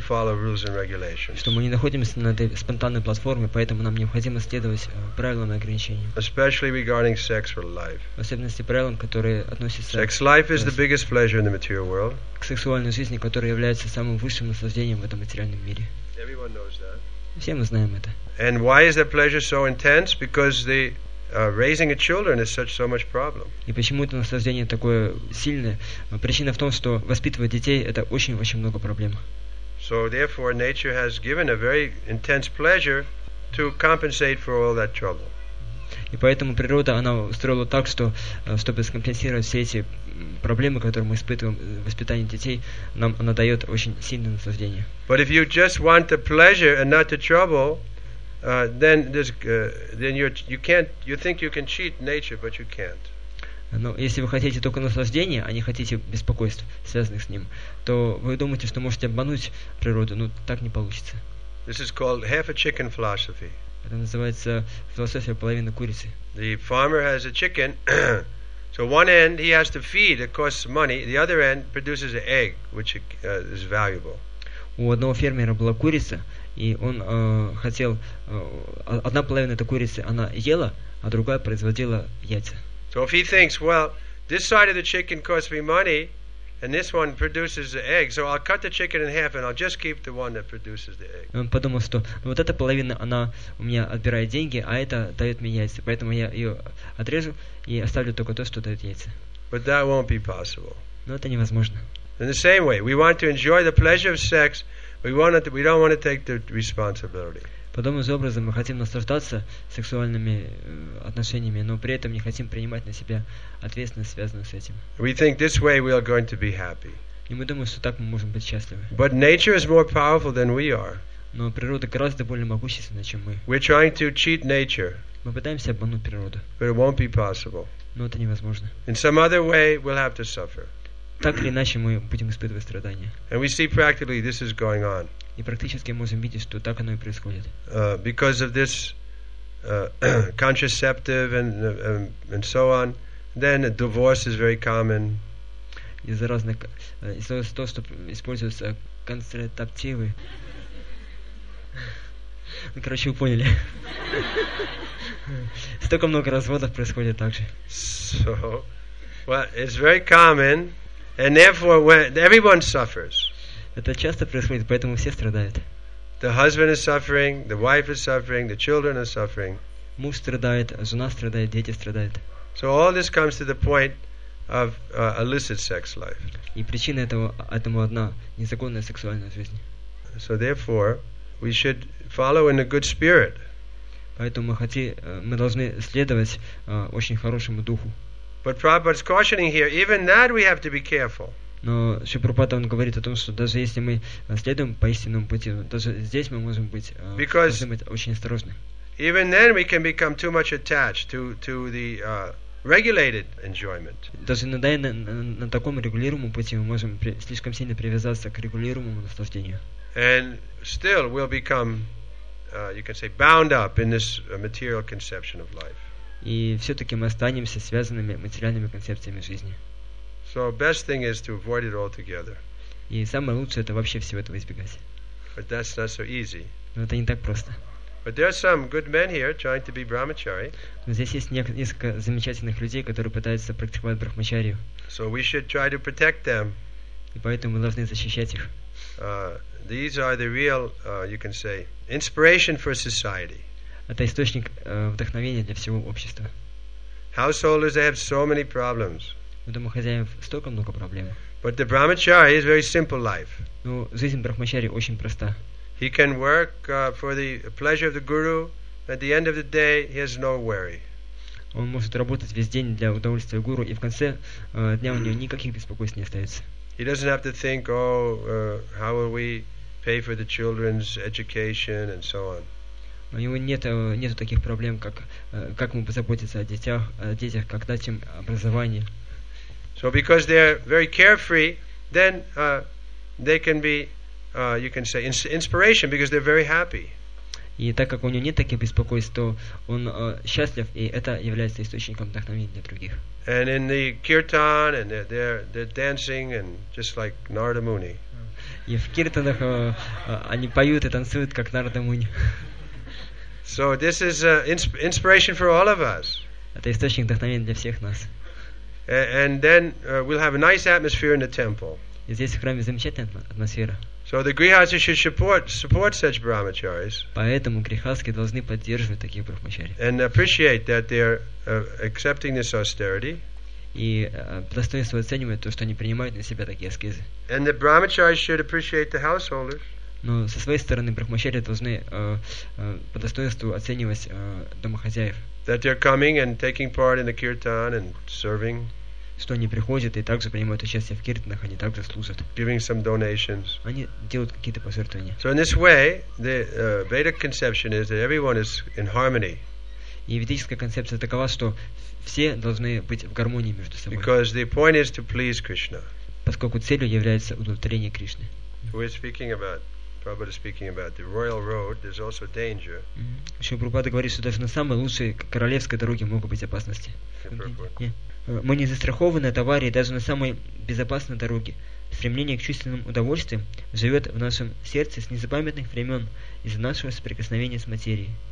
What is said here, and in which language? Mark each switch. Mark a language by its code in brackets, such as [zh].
[ru] Что мы не находимся на этой спонтанной платформе, поэтому нам необходимо следовать правилам и ограничениям. [en] Especially regarding sexual life. [ru] В особенности правилам, которые относятся [en] Sex life is the biggest pleasure in the material world. [ru] К сексуальной жизни, которая является самым высшим наслаждением в этом материальном мире. [en] Everyone knows that. [ru] Все мы знаем это. [en] And why is that pleasure so intense? Because the raising a children is such so much problem. [ru] И почему это наслаждение такое сильное? Причина в том, что воспитывать детей это очень-очень много проблем. [en] So therefore, nature has given a very intense pleasure to compensate for all that trouble. [ru] И поэтому природа она устроила так, что чтобы скомпенсировать все эти проблемы, которые мы испытываем в воспитании детей, нам она дает очень сильное наслаждение. [en] But if you just want the pleasure and not the trouble. Then you think you can cheat nature, but you can't. [ru] Но если вы хотите только наслаждения, а не хотите беспокойств, связанных с ним, то вы думаете, что можете обмануть природу, но так не получится. [en] This is called half a chicken philosophy. [ru] Это называется философия половины курицы. [en] The farmer has a chicken, so one end he has to feed, it costs money. The other end produces an egg, which is valuable. [ru] У одного фермера была курица. И он хотел одна половина этой курицы она ела, а другая производила яйца. [en] So if he thinks, well, this side of the chicken costs me money, and this one produces the egg, so I'll cut the chicken in half and I'll just keep the one that produces the egg. [ru] Он подумал, что вот эта половина она у меня отбирает деньги, а эта дает мне яйца, поэтому я ее отрежу и оставлю только то, что дает яйца. [en] But that won't be possible. [ru] Но это невозможно. [en] In the same way, we want to enjoy the pleasure of sex. We don't want to take the responsibility. [ru] Подобным образом мы хотим наслаждаться сексуальными отношениями, но при этом не хотим принимать на себя ответственность, связанную с этим. [en] We think this way we are going to be happy. [ru] И мы думаем, что так мы можем быть счастливы. [en] But nature is more powerful than we are. [ru] Но природа гораздо более могущественна, чем мы. [en] We're trying to cheat nature. [ru] Мы пытаемся обмануть природу. [en] But it won't be possible. [ru] Но это невозможно. [en] In some other way, we'll have to suffer. [ru] Так или иначе мы будем испытывать страдания. [en] And we see practically this is going on. [ru] И практически мы можем видеть, что так оно и происходит. [en] Because of this contraceptive and so on, then a divorce is very common. [ru] Из-за разных, из-за того, что используются контрацептивы. Ну, короче, вы поняли. Столько много разводов происходит также. [en] So, well, it's very common. And therefore, when everyone suffers. [ru] Это часто происходит, поэтому все страдают. [en] The husband is suffering, the wife is suffering, the children are suffering. [ru] Муж страдает, жена страдает, дети страдают. [en] So all this comes to the point of illicit sex life. [ru] И причина этому одна незаконная сексуальная жизнь. [en] So therefore, we should follow in a good spirit. [ru] Поэтому мы должны следовать очень хорошему духу. [en] But Prabhupada is cautioning here. Even that we have to be careful. [ru] Но Шри Прабхупада он говорит о том, что даже если мы следуем по истинному пути, даже здесь мы можем быть очень осторожны. [en] Even then we can become too much attached to the regulated enjoyment. [ru] Даже иногда на таком регулируемом пути мы можем слишком сильно привязаться к регулируемому наслаждению. [en] And still we'll become, you can say, bound up in this material conception of life. [ru] И все-таки мы останемся связанными материальными концепциями жизни. [en] So best thing is to avoid it altogether. [ru] И самое лучшее — это вообще всего этого избегать. [en] But that's not so easy. [ru] Но это не так просто. [en] But there are some good men here trying to be brahmachari. [ru] Но здесь есть несколько замечательных людей, которые пытаются практиковать брахмачарию. [en] So we should try to protect them. [ru] И поэтому мы должны защищать их. [en] These are the real, you can say, inspiration for society. [ru] Это источник вдохновения для всего общества. [en] Householders, they have so many problems. [ru] У домохозяев столько много проблем. [en] But the brahmachari is very simple life. [ru] Но жизнь брахмачари очень проста. [en] He can work for the pleasure of the guru. At the end of the day, he has no worry. [ru] Он может работать весь день для удовольствия гуру, и в конце дня у него никаких беспокойств не остается. [en] He doesn't have to think, oh, how will we pay for the children's education and so on. [ru] У него нету таких проблем, как ему позаботиться о детях, как дать им образование. [en] So because they are very carefree, then they can be, you can say, inspiration, because they're very happy. [ru] И так как у него нет таких беспокойств, то он счастлив, и это является источником вдохновения для других. [en] And in the kirtan, and they're dancing, and just like Narada Muni. [ru] И в киртанах они поют и танцуют как Нарада Муни. [en] So this is inspiration for all of us. [ru] Это источник вдохновения для всех нас. [en] And then we'll have a nice atmosphere in the temple. [ru] И здесь в храме замечательная атмосфера. [en] So the grihasthi should support such brahmacharis. [ru] Поэтому грихасхи должны поддерживать таких брахмачари. [en] And appreciate that they're accepting this austerity. [ru] И достоинство оценивают то, что они принимают на себя такие аскезы. [en] And the brahmacharis should appreciate the householders. [ru] Но со своей стороны брахмачари должны по достоинству оценивать домохозяев. [en] That they're coming and taking part in the kirtan and serving. [ru] Что они приходят и также принимают участие в киртанах, они также служат. [en] Giving some donations. [ru] Они делают какие-то пожертвования. [en] So in this way, the Vedic conception is that everyone is in harmony. [ru] И ведическая концепция такова, что все должны быть в гармонии между собой. [en] Because the point is to please Krishna. [ru] Поскольку целью является удовлетворение Кришны. [en] We're speaking about. Prabhupada speaking about the royal road, there's also danger. [ru] Шри Прабхупада говорит, что даже на самой лучшей королевской дороге могут быть опасности. Мы не застрахованы от аварии даже на самой безопасной дороге. Стремление к чувственным удовольствиям живет в нашем сердце с незапамятных времен из-за нашего соприкосновения с материей.